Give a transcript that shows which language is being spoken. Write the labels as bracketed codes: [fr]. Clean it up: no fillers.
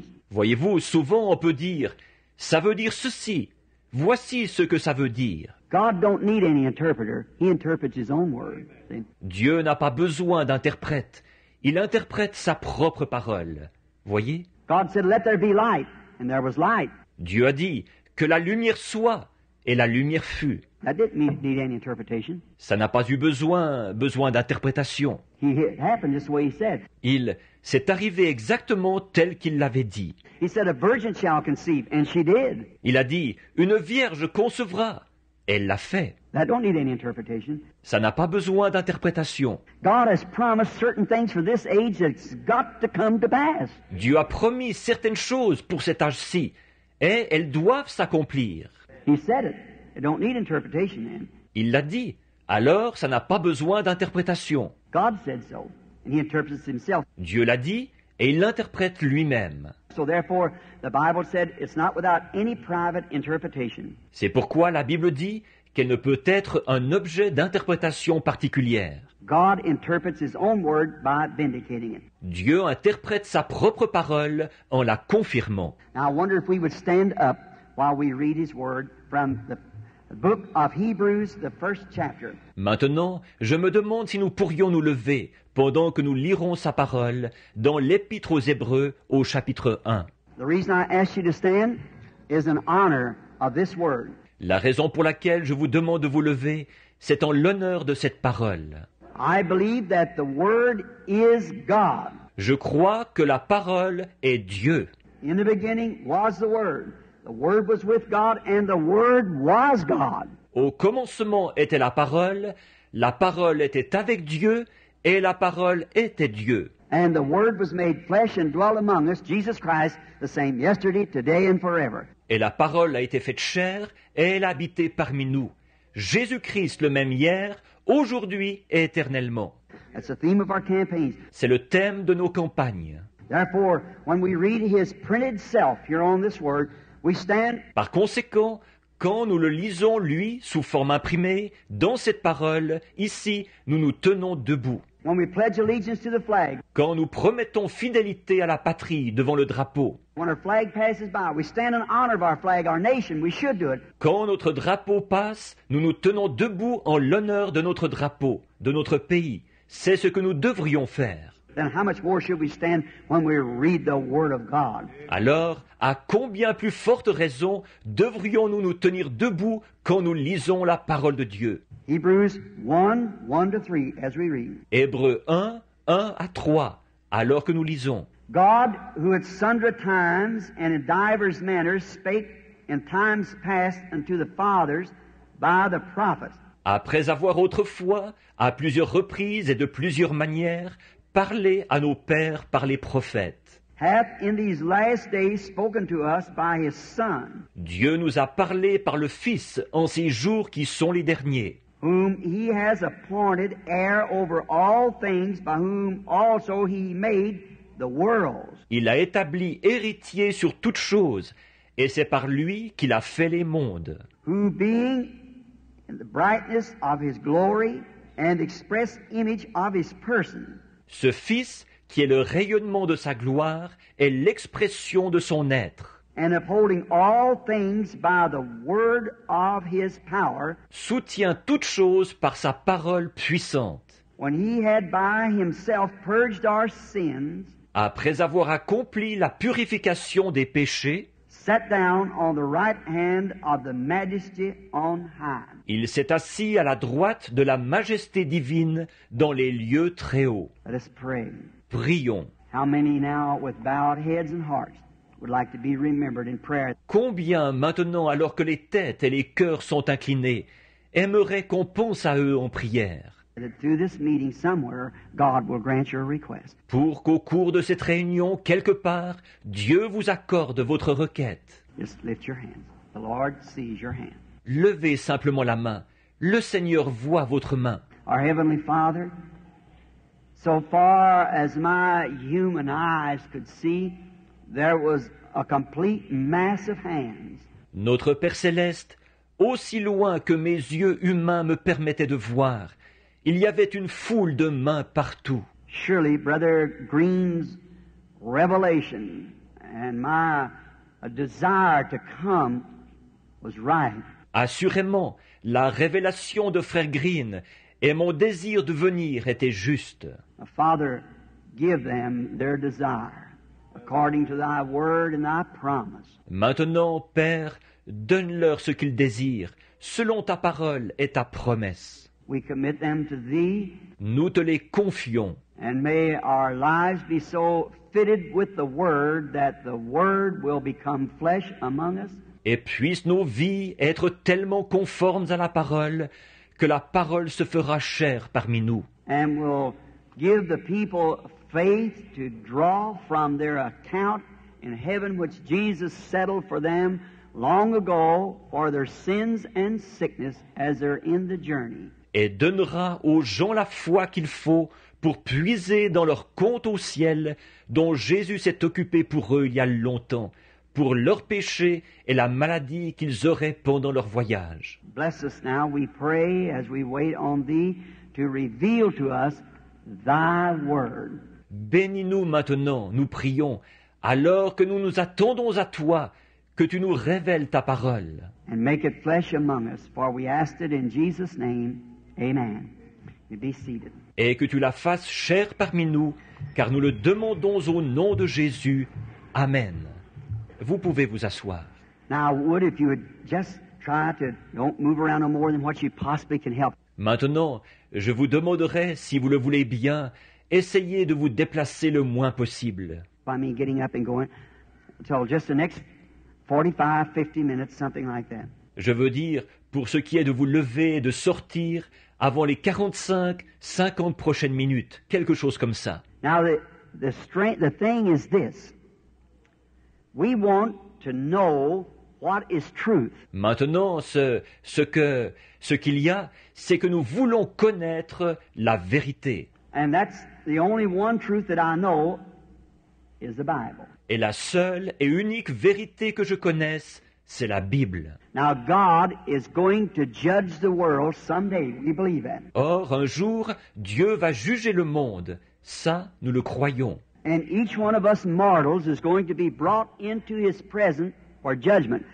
[fr] Voyez-vous, souvent on peut dire, ça veut dire ceci. Voici ce que ça veut dire. [en] God don't need any interpreter. He interprets his own word. [fr] Dieu n'a pas besoin d'interprète. Il interprète sa propre parole. Voyez? [en] God said, "Let there be light," and there was light. [fr] Dieu a dit que la lumière soit, et la lumière fut. [en] That didn't need any interpretation. [fr] Ça n'a pas eu besoin d'interprétation. [en] It happened just the way he said. [fr] Il C'est arrivé exactement tel qu'il l'avait dit. [en] He said, a virgin shall conceive, and she did. [fr] Il a dit, une vierge concevra. Elle l'a fait. [en] That don't need any interpretation. [fr] Ça n'a pas besoin d'interprétation. [en] God has promised certain things for this age that's got to come to pass. [fr] Dieu a promis certaines choses pour cet âge-ci, et elles doivent s'accomplir. [en] He said it. It don't need interpretation, man. [fr] Il l'a dit. Alors, ça n'a pas besoin d'interprétation. [en] God said so, and he interprets himself. [fr] Dieu l'a dit, et il l'interprète lui-même. [en] So therefore, the Bible said it's not without any private interpretation. [fr] C'est pourquoi la Bible dit qu'elle ne peut être un objet d'interprétation particulière. [en] God interprets his own word by vindicating it. [fr] Dieu interprète sa propre parole en la confirmant. [en] Now I wonder if we would stand up while we read his word from the book of Hebrews, the first chapter. [fr] Maintenant, je me demande si nous pourrions nous lever pendant que nous lirons sa parole dans l'Épître aux Hébreux au chapitre 1. [en] The reason I ask you to stand is in honor of this word. [fr] La raison pour laquelle je vous demande de vous lever, c'est en l'honneur de cette parole. [en] I believe that the word is God. [fr] Je crois que la parole est Dieu. [en] In the beginning was the word. The word was with God and the word was God. [fr] Au commencement était la parole était avec Dieu et la parole était Dieu. [en] And the word was made flesh and dwelt among us, Jesus Christ, the same yesterday, today and forever. [fr] Et la parole a été faite chair et elle a habité parmi nous. Jésus-Christ le même hier, aujourd'hui et éternellement. [en] That's the theme of our campaigns. [fr] C'est le thème de nos campagnes. [en] Therefore, when we read his printed self here on this word, we stand. [fr] Par conséquent, quand nous le lisons, lui, sous forme imprimée, dans cette parole, ici, nous nous tenons debout. [en] When we pledge allegiance to the flag. [fr] Quand nous promettons fidélité à la patrie devant le drapeau. [en] When our flag passes by, we stand in honor of our flag, our nation, we should do it. [fr] Quand notre drapeau passe, nous nous tenons debout en l'honneur de notre drapeau, de notre pays. C'est ce que nous devrions faire. [en] Then how much more should we stand when we read the word of God? [fr] Alors, à combien plus forte raison devrions-nous nous tenir debout quand nous lisons la parole de Dieu? [en] Hebrews 1, 1 to 3, as we read. [fr] Hébreux 1, 1 à 3, alors que nous lisons. [en] God, who at sundry times and in divers manners spake in times past unto the fathers by the prophets. [fr] Après avoir autrefois, à plusieurs reprises et de plusieurs manières, parler à nos pères par les prophètes. [en] Hath in these last days spoken to us by his son. [fr] Dieu nous a parlé par le Fils en ces jours qui sont les derniers. [en] Whom he has appointed heir over all things, by whom also he made the worlds. [fr] Il a établi héritier sur toutes choses, et c'est par lui qu'il a fait les mondes. [en] Who being in the brightness of his glory and express image of his person. [fr] Ce Fils, qui est le rayonnement de sa gloire, est l'expression de son être. [en] And upholding all things by the word of his power, [fr] soutient toutes choses par sa parole puissante. [en] When he had by himself purged our sins, [fr] après avoir accompli la purification des péchés, [en] sat down on the right hand of the majesty on high. [fr] Il s'est assis à la droite de la majesté divine dans les lieux très hauts. [en] Let us pray. [fr] Prions. [en] How many now with bowed heads and hearts would like to be remembered in prayer? [fr] Combien maintenant alors que les têtes et les cœurs sont inclinés aimeraient qu'on pense à eux en prière? [en] That through this meeting somewhere, God will grant your request. [fr] Pour qu'au cours de cette réunion, quelque part, Dieu vous accorde votre requête. [en] Just lift your hands. The Lord sees your hand. [fr] Levez simplement la main. Le Seigneur voit votre main. [en] Our Heavenly Father, so far as my human eyes could see, there was a complete mass of hands. [fr] Notre Père Céleste, aussi loin que mes yeux humains me permettaient de voir, il y avait une foule de mains partout. [en] Surely, Brother Green's revelation and my desire to come was right. [fr] Assurément, la révélation de Frère Green et mon désir de venir étaient justes. [en] Father, give them their desire according to thy word and thy promise. [fr] Maintenant, Père, donne-leur ce qu'ils désirent, selon ta parole et ta promesse. [en] We commit them to thee. [fr] Nous te les confions. [en] And may our lives be so fitted with the Word that the Word will become flesh among us. [fr] Et puissent nos vies être tellement conformes à la parole que la parole se fera chair parmi nous. [en] And will give the people faith to draw from their account in heaven which Jesus settled for them long ago for their sins and sickness as they're in the journey. [fr] Et donnera aux gens la foi qu'il faut pour puiser dans leur compte au ciel dont Jésus s'est occupé pour eux il y a longtemps, pour leurs péchés et la maladie qu'ils auraient pendant leur voyage. [en] Bless us now, we pray, as we wait on thee to reveal to us thy word. [fr] Bénis-nous maintenant, nous prions, alors que nous nous attendons à toi, que tu nous révèles ta parole. [en] And make it flesh among us, for we ask it in Jesus' name. Amen. You be seated. [fr] Et que tu la fasses chair parmi nous, car nous le demandons au nom de Jésus. Amen. Vous pouvez vous asseoir. [en] Now, would if you would just try to don't move around no more than what you possibly can help. [fr] Maintenant, je vous demanderai, si vous le voulez bien, essayez de vous déplacer le moins possible. [en] By me getting up and going until just the next 45-50 minutes, something like that. [fr] Je veux dire, pour ce qui est de vous lever et de sortir avant les 45-50 prochaines minutes, quelque chose comme ça. [en] Now, the thing is this. We want to know what is truth. [fr] Maintenant, ce qu'il y a, c'est que nous voulons connaître la vérité. [en] And that's the only one truth that I know is the Bible. [fr] Et la seule et unique vérité que je connaisse, c'est la Bible. [en] Now God is going to judge the world someday. We believe that. [fr] Or, un jour, Dieu va juger le monde. Ça, nous le croyons. [en] And each one of us mortals is going to be brought into His presence for judgment.